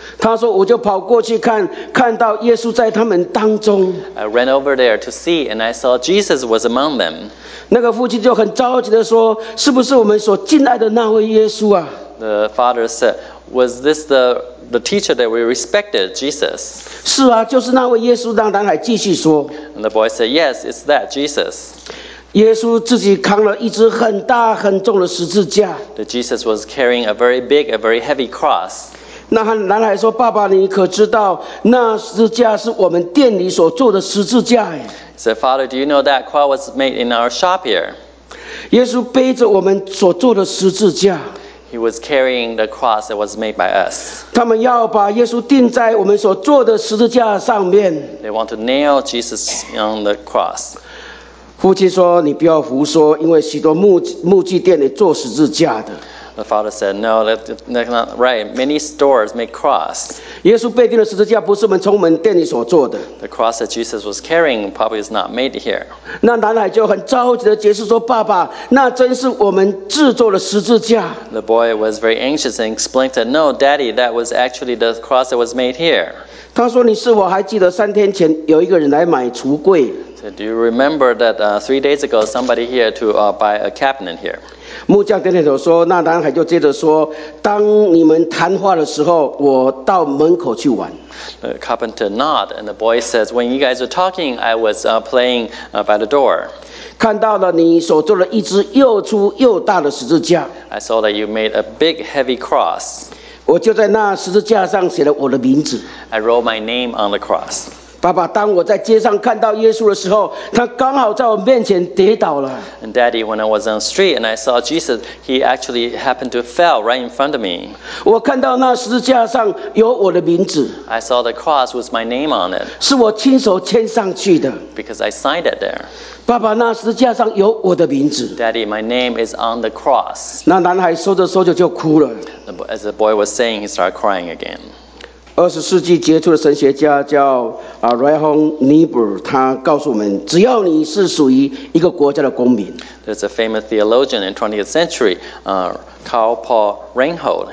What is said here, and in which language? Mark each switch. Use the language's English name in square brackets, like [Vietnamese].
[Chinese] 他说，我就跑过去看，看到耶稣在他们当中。 [English] I ran over there to see and I saw Jesus was among them. [Chinese] 那个父亲就很着急地说，是不是我们所敬爱的那位耶稣啊？ [English] The father said, was this the teacher that we respected, Jesus? [Chinese] 是啊，就是那位耶稣，当然还继续说。 [English] And the boy said, yes, it's that Jesus. [Chinese] 耶稣自己扛了一只很大很重的十字架。 [English] The Jesus was carrying a very big, a very heavy cross. [Chinese] 那男孩说，爸爸，你可知道那十字架是我们店里所做的十字架？ [English] He said, Father, do you know that cross was made in our shop here? [Chinese] 耶稣背着我们所做的十字架。 [English] He was carrying the cross that was made by us. [Chinese] 他们要把耶稣钉在我们所做的十字架上面。 [English] They want to nail Jesus on the cross. [Chinese] 父亲说，你不要胡说，因为许多木具店里做十字架的。 [English] The father said, no, that's not right. Many stores make cross. [Chinese] 耶稣被钉的十字架不是我们从我们店里所做的。 [English] The cross that Jesus was carrying probably is not made here. [Chinese] 那男孩就很着急地解释说，爸爸，那真是我们制作的十字架。 [English] The boy was very anxious and explained that, no, daddy, that was actually the cross that was made here. [Chinese] 他说，你是否还记得三天前有一个人来买橱柜？ [English] So, do you remember that three days ago, somebody here to buy a cabinet here? [Chinese] 木匠点点头说，那男孩就接着说，当你们谈话的时候，我到门口去玩。 [English] The carpenter nod, and the boy says, when you guys were talking, I was playing by the door. [Chinese] 看到了你所做了一只又粗又大的十字架。 [English] I saw that you made a big heavy cross. [Chinese] 我就在那十字架上写了我的名字。 [English] I wrote my name on the cross. [Chinese] 爸爸，当我在街上看到耶稣的时候，他刚好在我面前跌倒了。 [English] And daddy, when I was on the street and I saw Jesus, he actually happened to fell right in front of me. [Chinese] 我看到那十字架上有我的名字。 [English] I saw the cross with my name on it. [Chinese] 是我亲手签上去的。 [English] Because I signed it there. [Chinese] 爸爸，那十字架上有我的名字。 [English] Daddy, my name is on the cross. [Chinese] 那男孩说着说着就哭了。 [English] As the boy was saying, he started crying again. [Chinese] 20世纪杰出的神学家叫Reinhold Niebuhr 他告诉我们，只要你是属于一个国家的公民。 [English] There's a famous theologian in 20th century, Karl Paul Reinhold.